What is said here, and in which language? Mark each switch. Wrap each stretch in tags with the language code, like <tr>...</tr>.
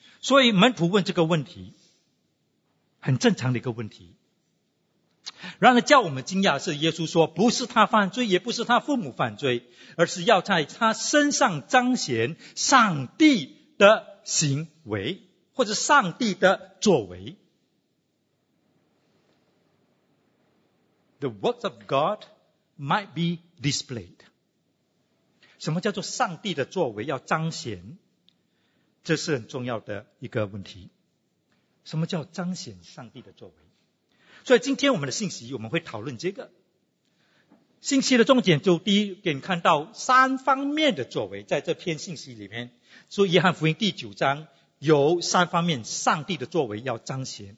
<zh>所以门徒问这个问题，很正常的一个问题。然而叫我们惊讶的是，耶稣说不是他犯罪，也不是他父母犯罪，而是要在他身上彰显上帝的行为，或者上帝的作为。</zh> <en>The works of God might be displayed.</en> <zh>什么叫做上帝的作为要彰显？这是很重要的一个问题。什么叫彰显上帝的作为？所以今天我们的信息，我们会讨论这个。信息的重点就第一点，看到三方面的作为，在这篇信息里面，说约翰福音第九章有三方面上帝的作为要彰显。</zh>